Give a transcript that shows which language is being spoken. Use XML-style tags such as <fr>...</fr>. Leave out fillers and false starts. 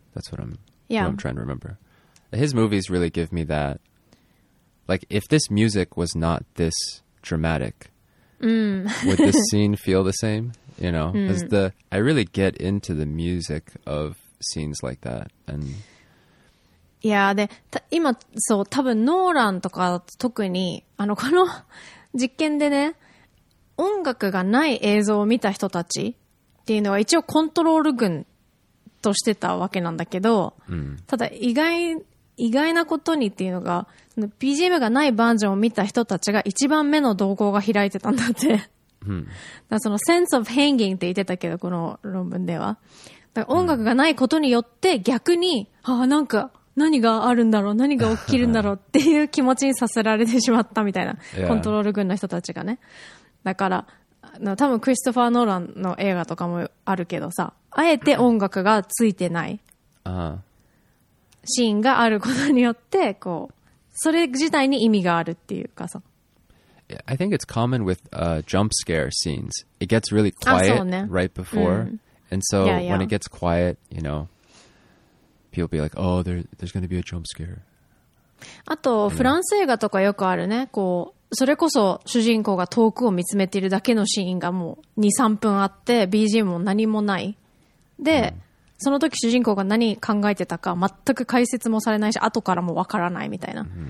<en>That's what I'm trying to remember. His movies really give me that, like, if this music was not this dramatic, would this scene feel the same? You know, I really get into the music of scenes like that. And</en> <ja>yeah, で、今、そう、多分、ノーランとか特に、この実験でね、音楽がない映像を見た人たちっていうのは一応コントロール群としてたわけなんだけど、ただ意外なことにっていうのが、その BGM がないバージョンを見た人たちが一番目の瞳孔が開いてたんだって。だそのセンスオブハンギングって言ってたけど、この論文では。だから音楽がないことによって逆に、なんか何があるんだろう、何が起きるんだろうっていう気持ちにさせられてしまったみたいな、コントロール群の人たちがね。だから、多分クリストファー・ノーランの映画とかもあるけどさ、あえて音楽がついてないシーンがあることによって、こう、それ自体に意味があるっていうかさ。</ja> <en>I think it's common with jump scare scenes. It gets really quiet right before. And so when it gets quiet, you know, people be like, oh, there's going to be a jump scare.</en> <ja>あと、フランス映画とかよくあるね。こう、それこそ主人公が遠くを見つめているだけのシーンがもう2、3分あって、BGM も何もない。で、その時主人公が何考えてたか全く解説もされないし、後からもわからないみたいな。</ja>